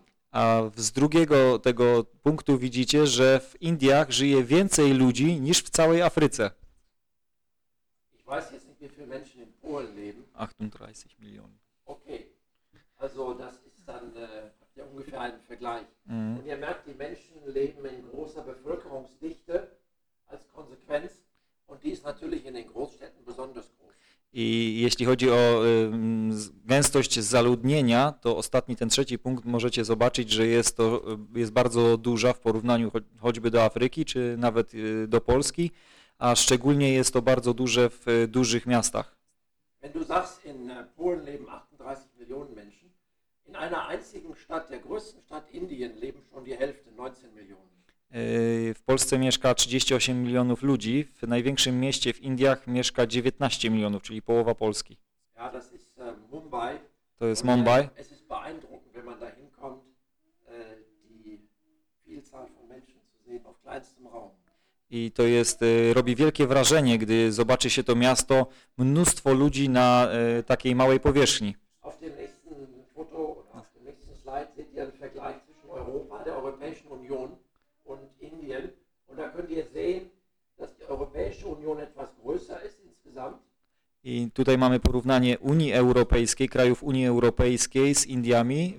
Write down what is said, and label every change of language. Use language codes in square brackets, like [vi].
[pl] A z drugiego tego punktu widzicie, że w Indiach żyje więcej ludzi niż w całej Afryce. [de] Ich weiß jetzt nicht, wie viele Menschen in Polen leben. 38 Millionen. Okay, also das ist dann ungefähr ein Vergleich. Mhm. Und ihr merkt, die Menschen leben in großer Bevölkerungsdichte als Konsequenz und die ist natürlich in den Großstädten besonders groß. [pl] I jeśli chodzi o gęstość zaludnienia, to ostatni, ten trzeci punkt, możecie zobaczyć, że jest to, jest bardzo duża w porównaniu choćby do Afryki, czy nawet do Polski, a szczególnie jest to bardzo duże w dużych miastach. [de] Wenn du sagst, in Polen leben 38 Millionen Menschen, in einer einzigen Stadt, der größten Stadt Indien, leben schon die Hälfte, 19 Millionen. [pl] W Polsce mieszka 38 milionów ludzi, w największym mieście w Indiach mieszka 19 milionów, czyli połowa Polski. [de] Ja, das ist Mumbai. [pl] To jest Mumbai. [de] Es ist beeindruckend, wenn man da hinkommt, die Vielzahl von Menschen zu sehen auf kleinstem Raum. [pl] I to jest, robi wielkie wrażenie, gdy zobaczy się to miasto, mnóstwo ludzi na takiej małej powierzchni. [de] Auf dem nächsten Foto, auf dem nächsten Slide seht ihr einen Vergleich zwischen Europa, der Europäischen Union und Indien. Und da könnt ihr sehen, dass die Europäische Union etwas größer ist insgesamt. [pl] I tutaj mamy porównanie Unii Europejskiej, krajów Unii Europejskiej z Indiami.